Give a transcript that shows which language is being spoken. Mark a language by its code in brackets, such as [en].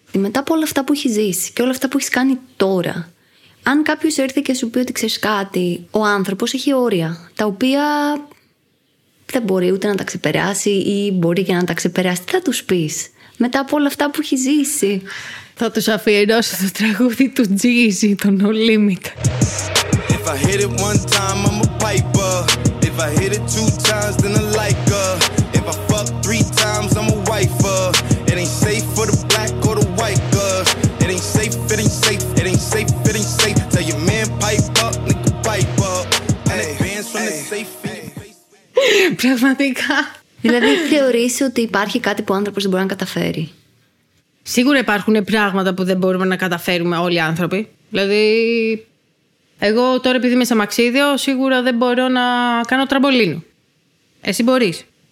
[el] Μετά από όλα αυτά που έχει ζήσει και όλα αυτά που έχει κάνει τώρα, αν κάποιο έρθει και σου πει ότι ξέρει κάτι, ο άνθρωπο έχει όρια τα οποία δεν μπορεί ούτε να τα ξεπεράσει ή μπορεί και να τα ξεπεράσει, τι θα τους πεις μετά από όλα αυτά που έχει ζήσει? Θα τους αφιερώσω το τραγούδι του Jeezy, το No Limit. [en] If I hit it one time, I'm a piper. If I hit it two times, then I like her. If I fuck three times, I'm a wifer. It ain't safe for the black or the white girls. It ain't safe, it ain't safe, it ain't safe, it ain't safe. Tell your man pipe up, nigga pipe up. And it bands from the safe. [el] Πραγματικά. Δηλαδή, θεωρείς ότι υπάρχει κάτι που ο άνθρωπος δεν μπορεί να καταφέρει? Σίγουρα υπάρχουν πράγματα που δεν μπορούμε να καταφέρουμε όλοι οι άνθρωποι. Δηλαδή, εγώ τώρα επειδή είμαι σε μαξίδιο, σίγουρα δεν μπορώ να κάνω τραμπολίνο. Εσύ μπορείς.